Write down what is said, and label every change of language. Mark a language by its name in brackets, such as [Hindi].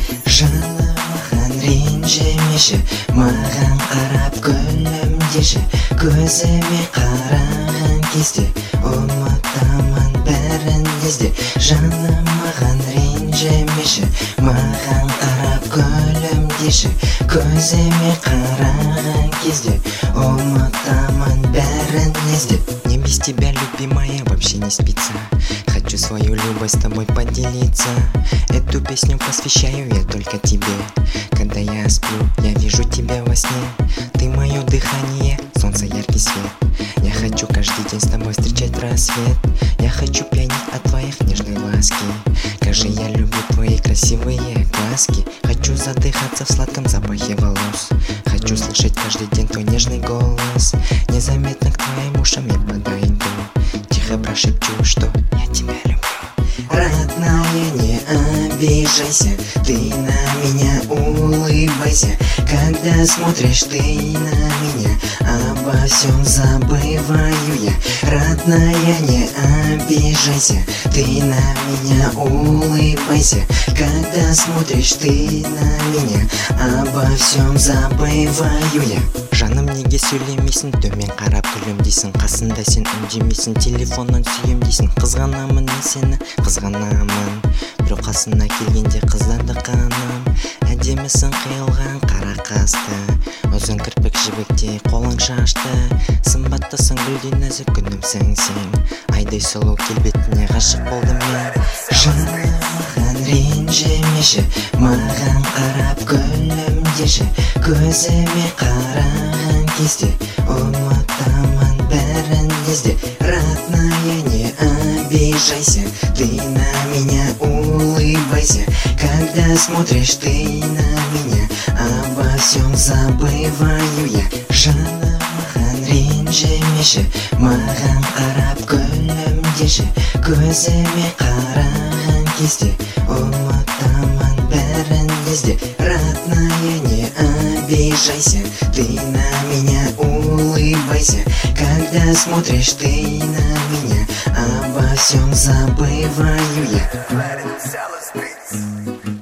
[Kazakh] Жаным маған ренжімеші, маған қарап күлім деші, көзіме қараған кезде ұмытамын бәрін ізде. Жаным маған ренжімеші, маған қарап күлім деші, көзіме қараған кезде ұмытамын бәрін ізде. [Russian] Не без тебя, любимая, вообще не спится, хочу свою любовь с тобой поделиться. Эту песню посвящаю я только тебе. Когда я сплю, я вижу тебя во сне. Ты мое дыхание, солнце, яркий свет. Я хочу каждый день с тобой встречать рассвет. Я хочу пьянить от твоих нежной ласки. Скажи, я люблю твои красивые глазки. Хочу задыхаться в сладком запахе волос. Хочу слышать каждый день твой нежный голос. Незаметно к твоим ушам я подойду, тихо прошепчу, что я тебя люблю. Родная, не обижайся, ты на меня улыбайся. Когда смотришь ты на меня, обо всем забываю я. Родная, не обижайся, ты на меня улыбайся. Когда смотришь ты на меня, обо всем забываю я. [Kazakh] Жаным, неге сөйлемейсің, төмен қарап күлімдейсің. Қасында сен үндемейсің, телефоннан сүйемдейсің. Қызғанамын мен сені, қызғанамын. Бір қасына келгенде қыздарды қанам. Әдемісің қиылған қара қасты, өзің кірпік жібектей қолың шашты. Сымбаттысың гүлден нәзік күнімсің сен. Айдай сұлу келбетіне ғашық болдым мен. Жаным маған ренжімеші, маған қарап күлім деші, көзіме қараған кезде ұмытамын бәрін ізде. [Russian] Родная, не обижайся, ты на меня улыбайся. Когда смотришь ты на меня, обо всем забываю я. [Kazakh] Жаным маған ренжімеші, маған қарап күлім деші, көзіме қараған кезде ұмытамын бәрін ізде. [Russian] Родная, не обижайся, ты на меня улыбайся. Когда смотришь ты на меня, обо всем забываю я.